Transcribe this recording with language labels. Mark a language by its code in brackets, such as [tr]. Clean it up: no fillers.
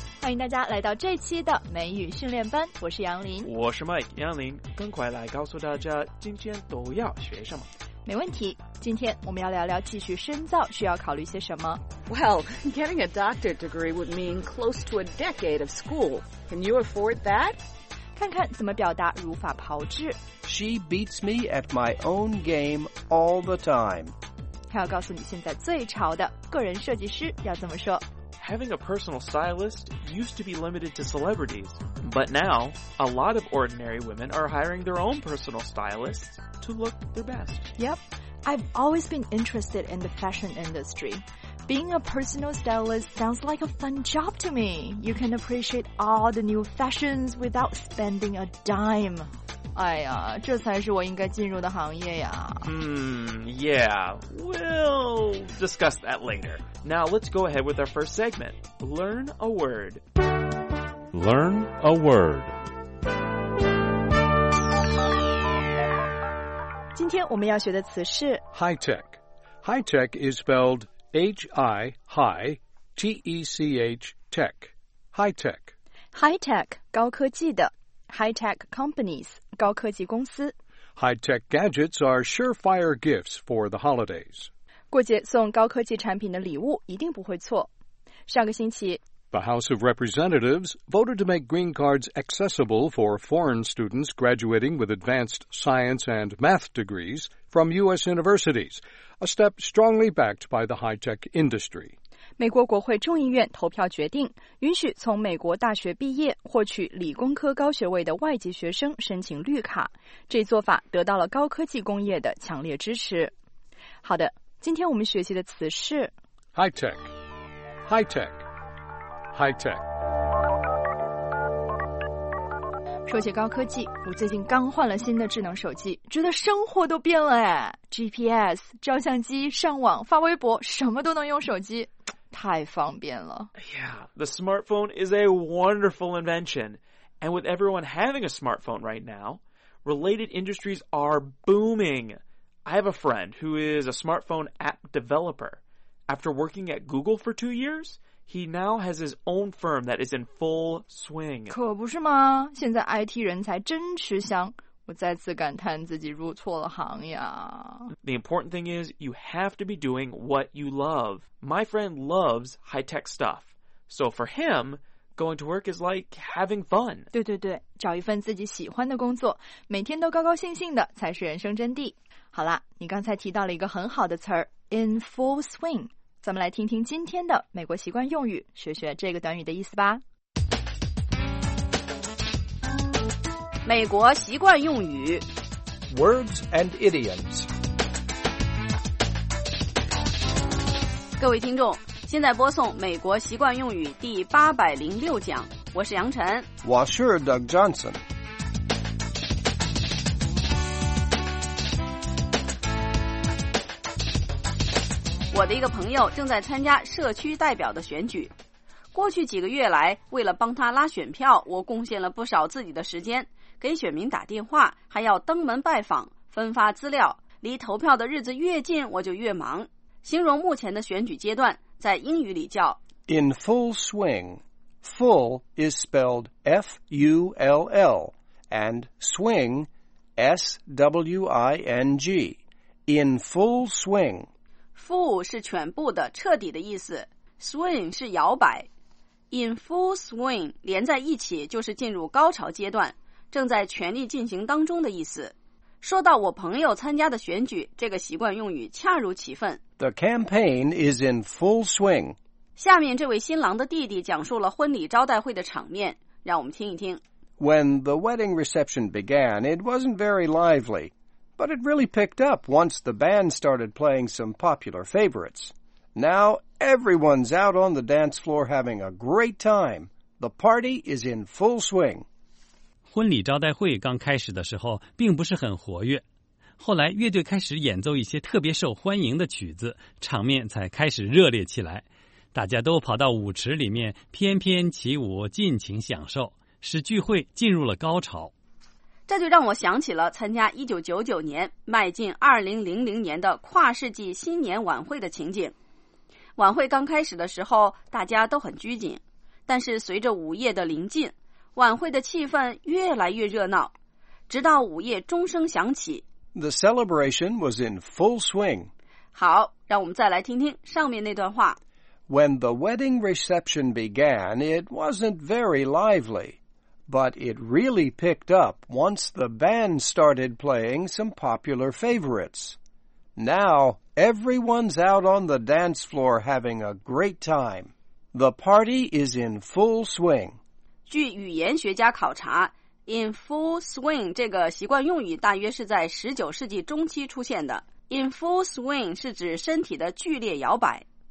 [zh] 迎大家来到这期的美语训练班，我是杨林，我是 Mike 杨林，更快来告诉大家今天都要学什么。没问题，今天我们要聊聊继续深造需要考虑些什么。 [en] Well, getting a doctorate degree would mean close to a decade of school. Can you afford that? [zh] 看看怎么表达如法炮制。 [en] She beats me at my own game all the time. [zh] 还要告诉你现在最潮的个人设计师要怎么说。 [en] Having a personal stylist used to be limited to celebrities, but now, a lot of ordinary women are hiring their own personal stylists to look their best. Yep, I've always been interested in the fashion industry. Being a personal stylist sounds like a fun job to me. You can appreciate all the new fashions without spending a dime. [zh] 哎呀，这才是我应该进入的行业呀。 [en] Yeah, we'll discuss that later. Now let's go ahead with our first segment, Learn a Word. Learn a Word. [zh] 今天我们要学的词是 [en] High Tech. High Tech is spelled H-I-H-T-E-C-H, Tech. High Tech. High Tech, [zh] 高科技的。 [en] High Tech Companies, [zh] 高科技公司。 [en] High Tech Gadgets are surefire gifts for the holidays. [zh] 过节送高科技产品的礼物一定不会错。上个星期 [en] The House of Representatives voted to make green cards accessible for foreign students graduating with advanced science and math degrees from U.S. universities, a step strongly backed by the high tech industry. [zh] 美国国会众议院投票决定允许从美国大学毕业获取理工科高学位的外籍学生申请绿卡，这做法得到了高科技工业的强烈支持。好的，今天我们学习的词是 [en] High tech, high tech, high tech。 [zh] 说起高科技，我最近刚换了新的智能手机，觉得生活都变了哎。 GPS, 照相机，上网，发微博，什么都能用手机，太方便了。 [en] Yeah, the smartphone is a wonderful invention. And with everyone having a smartphone right now, related industries are booming. I have a friend who is a smartphone app developer. After working at Google for 2 years, he now has his own firm that is in full swing. [zh] 可不是吗？现在 IT 人才真吃香。我再次感叹自己入错了行呀。 [en] The important thing is you have to be doing what you love. My friend loves high-tech stuff. So for him, going to work is like having fun. [zh] 对对对，找一份自己喜欢的工作，每天都高高兴兴的才是人生真谛。好啦，你刚才提到了一个很好的词儿 [en] in full swing. [zh] 咱们来听听今天的美国习惯用语，学学这个短语的意思吧。美国习惯用语 [en] Words and idioms. [zh] 各位听众，现在播送美国习惯用语第806讲，我是杨晨，我是 Doug Johnson。我的一个朋友正在参加社区代表的选举，过去几个月来，为了帮他拉选票，我贡献了不少自己的时间，给选民打电话，还要登门拜访，分发资料。离投票的日子越近，我就越忙。形容目前的选举阶段，在英语里叫 [en] In full swing. Full is spelled F-U-L-L and swing S-W-I-N-G. In full swing. [zh] Full 是全部的，彻底的意思， swing 是摇摆。 [en] In full swing [zh] 连在一起就是进入高潮阶段，正在全力进行当中的意思。说到我朋友参加的选举，这个习惯用语恰如其分。 [en] The campaign is in full swing. [zh] 下面这位新郎的弟弟讲述了婚礼招待会的场面，让我们听一听。 [en] When the wedding reception began, it wasn't very lively, but it really picked up once the band started playing some popular favorites. Now everyone's out on the dance floor having a great time. The party is in full swing. [zh] 婚礼招待会刚开始的时候并不是很活跃，后来乐队开始演奏一些特别受欢迎的曲子，场面才开始热烈起来，大家都跑到舞池里面翩翩起舞，尽情享受，使聚会进入了高潮。这就让我想起了参加1999年迈进2000年的跨世纪新年晚会的情景。晚会刚开始的时候大家都很拘谨，但是随着午夜的临近，晚会的气氛越来越热闹，直到午夜钟声响起。 [en] The celebration was in full swing. [zh] 好，让我们再来听听上面那段话。 [en] When the wedding reception began, it wasn't very lively, but it really picked up once the band started playing some popular favorites. Now, everyone's out on the dance floor having a great time. The party is in full swing. [zh] 据语言学家考察， [en] in full swing [zh] 这个习惯用语大约是在19世纪中期出现的。 [en] In full swing [zh] 是指身体的剧烈摇摆。